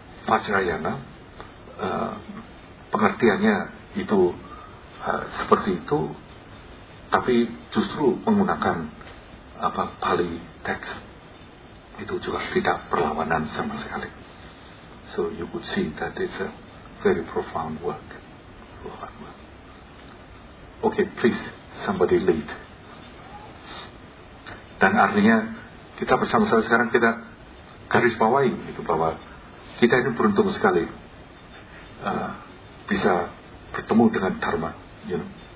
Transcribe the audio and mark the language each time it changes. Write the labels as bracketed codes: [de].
[id] Vajrayana, pengertiannya itu seperti itu, tapi justru menggunakan apa Pali text itu juga tidak perlawanan sama sekali. [en] So you could see that it's a very profound work. Okay, please, somebody lead. [id] Dan artinya kita bersama-sama sekarang kita garis bawahi itu bahwa kita ini beruntung sekali bisa bertemu dengan Dharma, [en] you know?